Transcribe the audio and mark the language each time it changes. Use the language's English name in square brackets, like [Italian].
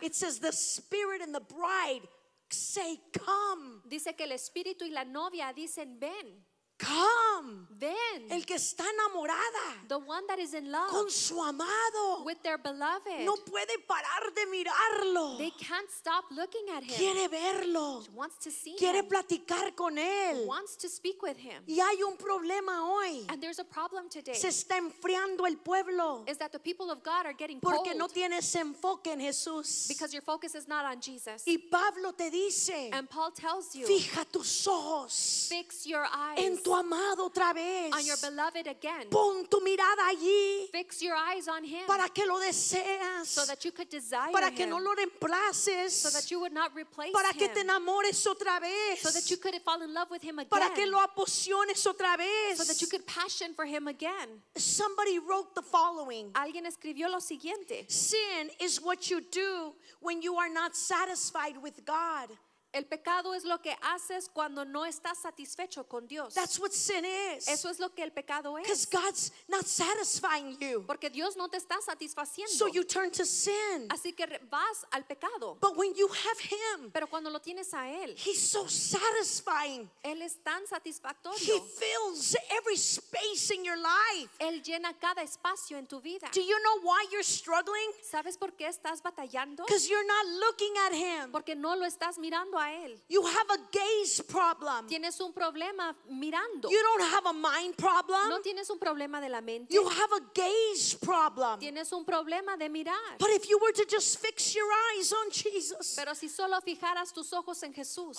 [English] It says the spirit and the bride say come. [Spanish] Dice que el espíritu y la novia dicen ven. [English] Come. [Spanish] Ven. El que está enamorada. [English] The one that is in love. [Spanish] Con su amado. [English] With their beloved. [Spanish] No puede parar de mirarlo. [English] They can't stop looking at him. [Spanish] Quiere verlo. [English] She wants to see him. [Spanish] Quiere platicar con él. [English] Wants to speak with him. [Spanish] Y hay un problema hoy. [English] And there's a problem today. [Spanish] Se está enfriando el pueblo. [English] Is that the people of God are getting [Spanish] porque [English] cold. [Spanish] No tienes enfoque en Jesús. [English] Because your focus is not on Jesus. [Spanish] Y Pablo te dice. [English] And Paul tells you. [Spanish] Fija tus ojos. [English] Fix your eyes. [Spanish] Tu amado otra vez. [English] On your beloved again. [Spanish] Pon tu mirada allí. [English] Fix your eyes on him. [Spanish] Para que lo deseas. [English] So that you could desire [Spanish] para [English] him. [Spanish] Que no lo reemplaces. [English] So that you would not replace [Spanish] para [English] him. [Spanish] Que te enamores otra vez. [English] So that you could fall in love with him again. [Spanish] Para que lo apasiones otra vez. [English] So that you could passion for him again. Somebody wrote the following. [Spanish] Alguien escribió lo siguiente. [English] Sin is what you do when you are not satisfied with God. [Spanish] El pecado es lo que haces cuando no estás satisfecho con Dios. [English] That's what sin is. [Spanish] Eso es lo que el pecado es. [English] Because God's not satisfying you. [Spanish] Porque Dios no te está satisfaciendo. [English] So you turn to sin. [Spanish] Así que vas al pecado. [English] But when you have Him, [Spanish] pero cuando lo tienes a Él, [English] He's so satisfying. [Spanish] Él es tan satisfactorio. [English] He fills every space in your life. [Spanish] Él llena cada espacio en tu vida. [English] Do you know why you're struggling? [Spanish] ¿Sabes por qué estás batallando? [English] Because you're not looking at Him. [Spanish] Porque no lo estás mirando. [English] You have a gaze problem. [Spanish] Tienes un problema mirando. [English] You don't have a mind problem. [Spanish] No tienes un problema de la mente. [English] You have a gaze problem. [Spanish] Tienes un problema de mirar. [English] But if you were to just fix your eyes on Jesus. [Spanish] Pero si solo fijaras tus ojos en Jesús.